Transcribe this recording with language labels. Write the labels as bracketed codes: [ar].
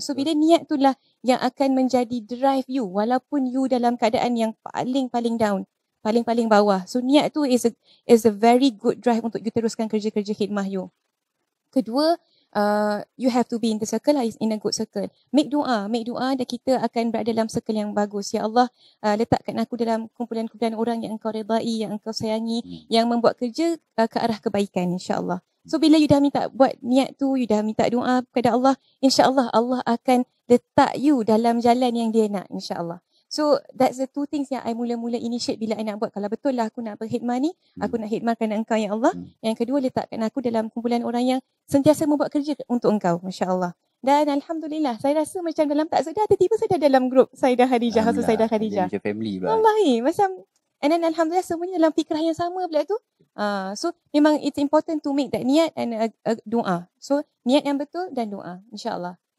[ms] So bila niat itulah yang akan menjadi [en] drive you, [ms] walaupun you dalam keadaan yang paling-paling [en] down, [ms] paling-paling bawah. [en] So niat tu is a very good drive [ms] untuk you teruskan kerja-kerja khidmah you. [en] Kedua, you have to be in the circle lah, in a good circle. Make doa, make doa, [ms] dan kita akan berada dalam [en] circle [ms] yang bagus. Ya Allah, letakkan aku dalam kumpulan-kumpulan orang yang engkau redai, yang engkau sayangi, yang membuat kerja ke arah kebaikan, insyaAllah. So bila you dah minta buat niat tu, you dah minta doa kepada Allah, insyaAllah Allah akan letak you dalam jalan yang dia nak, insyaAllah. [en] So that's the two things [ms] yang I mula-mula [en] initiate [ms] bila I nak buat. Kalau betul lah aku nak berkhidmat ni, aku nak khidmatkan engkau ya Allah. Yang kedua, letakkan aku dalam kumpulan orang yang sentiasa membuat kerja untuk engkau, insyaAllah. Dan Alhamdulillah, saya rasa macam dalam tak sedar, tiba-tiba saya dah dalam grup Saidah Khadijah. So Saidah Khadijah macam [en] family [ms] pula. Allah, eh, macam. [en] And then [ms] Alhamdulillah, semuanya dalam fikrah yang sama pula tu. [en] So [ms] memang [en] it's important to make that niat and a doa. [ms] So niat yang betul dan doa, insyaAllah.